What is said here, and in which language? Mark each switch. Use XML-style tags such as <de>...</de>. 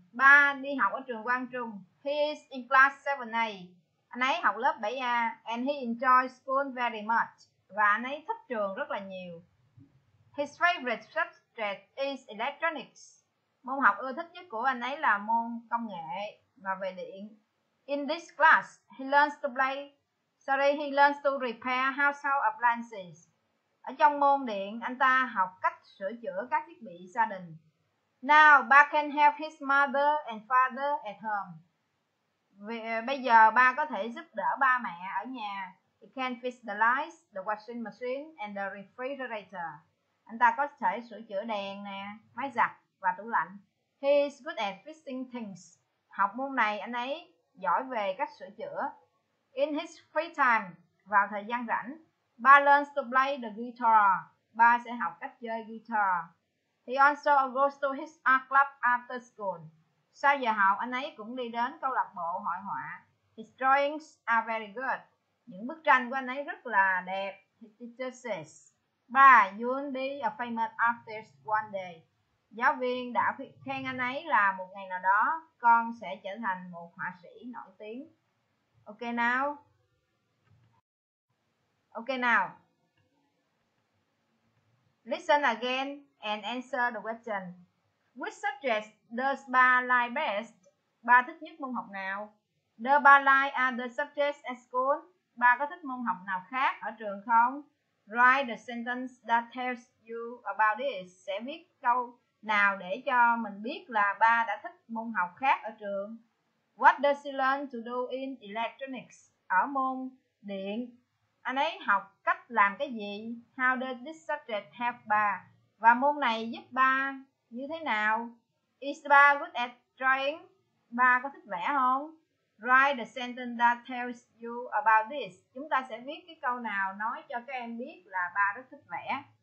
<vi>Ba đi học ở trường Quang Trung.</vi> <en>He is in class 7A.</en> <vi>Anh ấy học lớp 7A.</vi> <en>And he enjoys school very much.</en> <vi>Và anh ấy thích trường rất là nhiều.</vi> <en>His favorite subject is electronics.</en> <vi>Môn học ưa thích nhất của anh ấy là môn công nghệ và về điện.</vi> <en>In this class, he learns to repair household appliances.</en> <vi>Ở trong môn điện, anh ta học cách sửa chữa các thiết bị gia đình.</vi> <en>Now, ba can help his mother and father at home.</en> <vi>Bây giờ, ba có thể giúp đỡ ba mẹ ở nhà.</vi> <en>He can fix the lights, the washing machine, and the refrigerator.</en> <vi>Anh ta có thể sửa chữa đèn, nè, máy giặt và tủ lạnh.</vi> <en>He is good at fixing things.</en> <vi>Học môn này, anh ấy giỏi về cách sửa chữa.</vi> <en>In his free time,</en> <vi>vào thời gian rảnh,</vi> <en>ba learns to play the guitar.</en> <vi>Ba sẽ học cách chơi guitar.</vi> <en>He also goes to his art club after school.</en> <vi>Sau giờ học, anh ấy cũng đi đến câu lạc bộ hội họa.</vi> <en>His drawings are very good.</en> <vi>Những bức tranh của anh ấy rất là đẹp.</vi> <en>His teacher says, ba, you'll be a famous artist one day.</en> <vi>Giáo viên đã khen anh ấy là một ngày nào đó, con sẽ trở thành một họa sĩ nổi tiếng.</vi> <en>Okay now. Listen again and answer the question. Which subject does Ba like best?</en> <vi>Ba thích nhất môn học nào?</vi> <en>Does Ba like other subjects at school?</en> <vi>Ba có thích môn học nào khác ở trường không?</vi> <en>Write the sentence that tells you about this.</en> <vi>Sẽ viết câu nào để cho mình biết là ba đã thích môn học khác ở trường.</vi> <en>What does he learn to do in electronics?</en> <vi>Ở môn điện, anh ấy học cách làm cái gì?</vi> <en>How does this subject help ba?</en> <vi>Và môn này giúp ba như thế nào?</vi> <en>Is ba good at drawing?</en> <vi>Ba có thích vẽ không?</vi> <en>Write the sentence that tells you about this.</en> <vi>Chúng ta sẽ viết cái câu nào nói cho các em biết là ba rất thích vẽ.</vi>